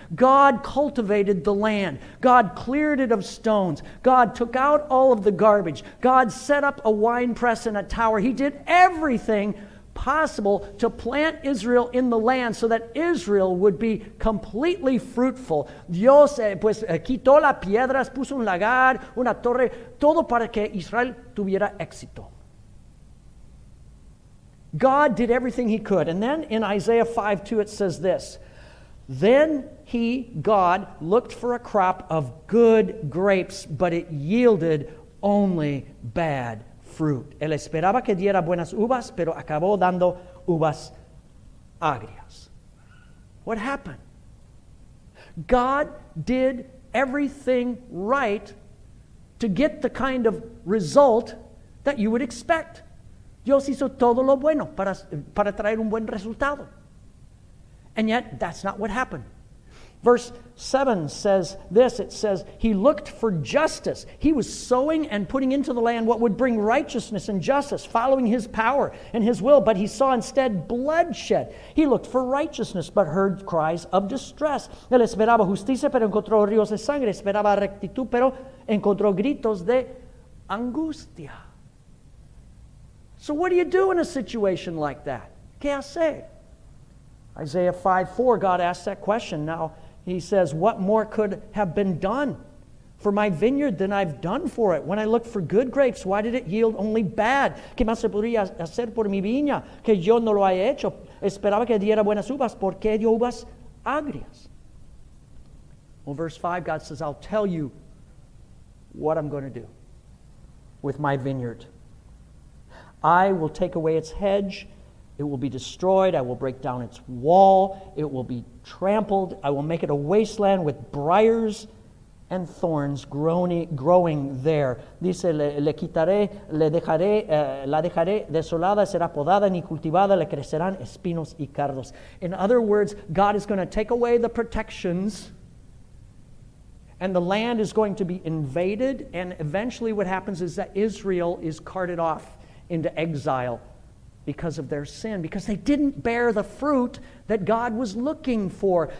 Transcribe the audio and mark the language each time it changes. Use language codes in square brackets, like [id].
[en] God cultivated the land. God cleared it of stones. God took out all of the garbage. God set up a wine press and a tower. He did everything possible to plant Israel in the land so that Israel would be completely fruitful. [es] Dios pues quitó las piedras, puso un lagar, una torre, todo para que Israel tuviera éxito. [en] God did everything he could. And then in Isaiah 5:2 it says this: Then he, God, looked for a crop of good grapes, but it yielded only bad fruit. [es] Él esperaba que diera buenas uvas, pero acabó dando uvas agrias. [en] What happened? God did everything right to get the kind of result that you would expect. [es] Dios hizo todo lo bueno para traer un buen resultado. [en] And yet, that's not what happened. Verse 7 says this, it says, he looked for justice. He was sowing and putting into the land what would bring righteousness and justice, following his power and his will, but he saw instead bloodshed. He looked for righteousness, but heard cries of distress. [es] Él esperaba justicia, pero encontró ríos de sangre. Esperaba rectitud, pero encontró gritos de angustia. [en] So what do you do in a situation like that? [es] ¿Qué hacer? [en] Isaiah 5:4, God asks that question. Now, he says, what more could have been done for my vineyard than I've done for it? When I looked for good grapes, why did it yield only bad? [es] ¿Qué más se podría hacer por mi viña? Que yo no lo haya hecho. Esperaba que diera buenas uvas. ¿Por qué dio uvas agrias? [en] Well, verse 5, God says, I'll tell you what I'm going to do with my vineyard. I will take away its hedge. It will be destroyed. I will break down its wall. It will be trampled. I will make it a wasteland with briars and thorns growing there. [es] Dice, le quitaré, le dejaré, la dejaré desolada, será podada ni cultivada, le crecerán espinos y cardos. [en] In other words, God is going to take away the protections, and the land is going to be invaded, and eventually what happens is that Israel is carted off into exile because of their sin, because they didn't bear the fruit that God was looking for.